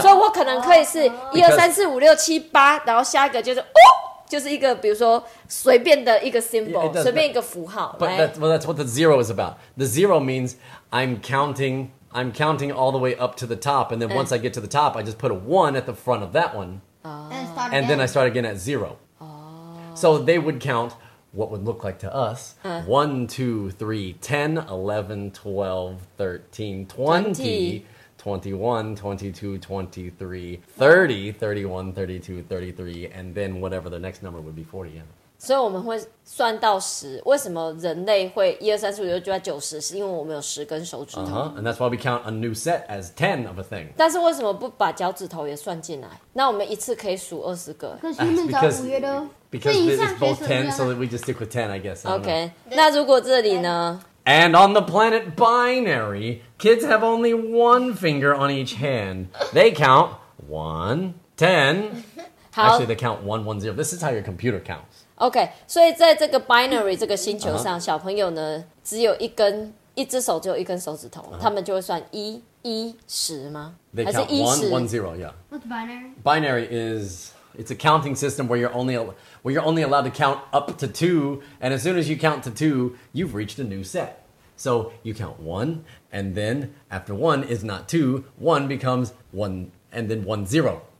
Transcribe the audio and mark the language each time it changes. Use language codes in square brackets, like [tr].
[zh] 所以我可能可以是一二三四五六七八，然后下一个就是哦，就是一个比如说随便的一个 symbol， [en] yeah, [zh] 随便一个符号。 [en] But that, well, that's what the zero is about. The zero means I'm counting all the way up to the top, and then once I get to the top, I just put a one at the front of that one, and then I start again at zero. Oh. So they would count. What would look like to us, 1, 2, 3, 10, 11, 12, 13, 20, 21, 22, 23, 30, 31, 32, 33, and then whatever the next number would be, 40. Yeah. [zh] 所以我们会算到 10. 为什么人类会1, 2, 3, 4, 5, 6, 7, 8, 90? 是因为我们有10根手指头。 [en] Uh-huh. And that's why we count a new set as 10 of a thing. [zh] 但是为什么不把脚趾头也算进来？那我们一次可以数20个。 [en] Because humans are weirdo. Because it's both 10, so that we just stick with 10, I guess. I [zh] okay. 那如果这里呢? [en] And on the planet Binary, kids have only one finger on each hand. They count 1, 10. Actually, they count 1, 1, 0. This is how your computer counts. Okay. [zh] 所以在这个 Binary 这个星球上, 小朋友呢, 只有一根, 一只手只有一根手指头, 他们就会算1, 1, 10吗? [en] They count 1, 1, 0, yeah. What's Binary? Binary is... It's a counting system where you're only allowed to count up to 2, and as soon as you count to 2, you've reached a new set. So you count 1, and then after 1 is not 2, 1 becomes 1, and then 1-0.